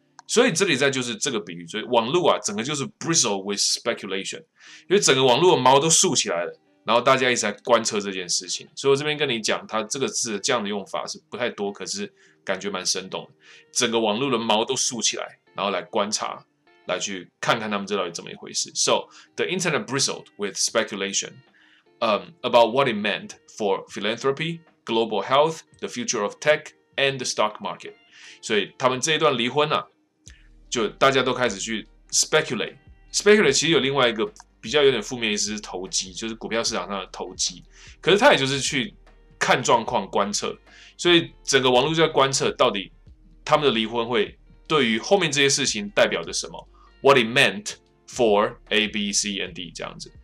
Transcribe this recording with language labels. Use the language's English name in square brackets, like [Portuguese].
[Chinese] 所以这里在就是这个比喻，所以网络啊，整个就是 [English] bristle with speculation， [Chinese] 因为整个网络的毛都竖起来了，然后大家一直在观测这件事情。所以我这边跟你讲，它这个字这样的用法是不太多，可是感觉蛮生动的。整个网络的毛都竖起来，然后来观察，来去看看他们这到底怎么一回事。 [English] So the internet bristled with speculation, about what it meant for philanthropy, global health, the future of tech, and the stock market. [Chinese] 所以他们这一段离婚啊。就大家都开始去 speculate 其实有另外一个比较有点负面意思，是投机，就是股票市场上的投机，可是他也就是去看状况观测，所以整个网络就在观测到底他们的离婚会对于后面这些事情代表着什么， [English] what it meant for A, B, C, and D [Chinese] 这样子。